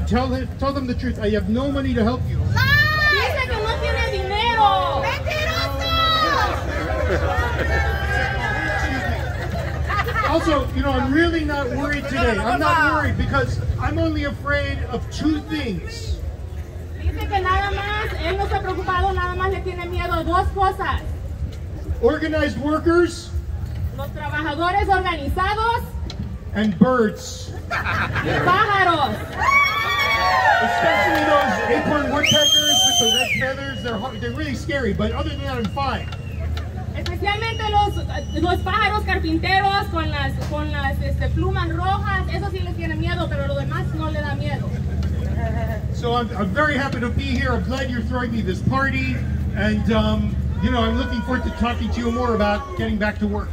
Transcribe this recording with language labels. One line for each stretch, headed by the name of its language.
English: Tell them the truth. I have no money to help you.
Spanish: Dice que no tiene dinero. Mentiroso.
English: Also, you know, I'm really not worried today. I'm not worried because I'm only afraid of two things.
Spanish: Dice que nada más, él no está preocupado, nada más le tiene miedo dos cosas.
English: Organized workers.
Spanish: Los trabajadores organizados.
English: And birds.
Spanish: Y pájaros.
English: Especially those acorn woodpeckers with the red feathers. They're really scary, but other than that, I'm fine.
Spanish: Especialmente los pájaros carpinteros con las plumas rojas. Eso sí les tiene miedo, pero lo demás no le da miedo.
English: So I'm very happy to be here. I'm glad you're throwing me this party. And, you know, I'm looking forward to talking to you more about getting back to work.